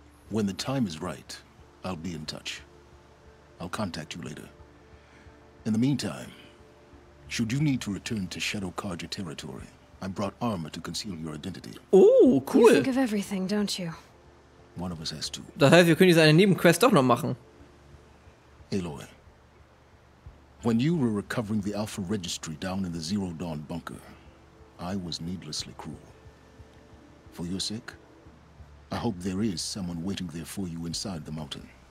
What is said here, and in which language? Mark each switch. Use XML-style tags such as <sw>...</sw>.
<en>When the time is right, I'll be in touch. I'll contact you later. In the meantime, should you need to return to Shadow Carja territory, I brought armor to conceal your identity. Oh, cool. You think of everything, don't you? One of us has to.</en> <de>Das heißt, wir können diese Nebenquest doch noch machen.</de> <en>Aloy, when you were recovering the Alpha Registry down in the Zero Dawn bunker, I was needlessly cruel. For your sake, I hope there is someone waiting there for you inside the mountain.</en>